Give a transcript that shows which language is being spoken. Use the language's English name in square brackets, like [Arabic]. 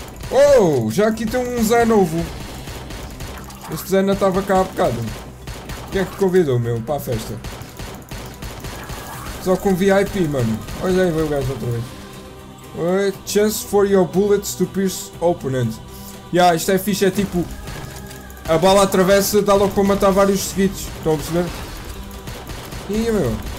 [Portuguese] Oh, já aqui tem um Zé novo. Este Zé ainda estava cá há bocado. Quem é que te convidou, meu? Para a festa? Só com VIP, mano. Olha aí, veio o gajo outra vez. [English] Chance for your bullets to pierce opponent. [Portuguese] Yeah, isto é fixe, é tipo... A bala atravessa, dá logo para matar vários seguidos. Estão a perceber? Ih, meu.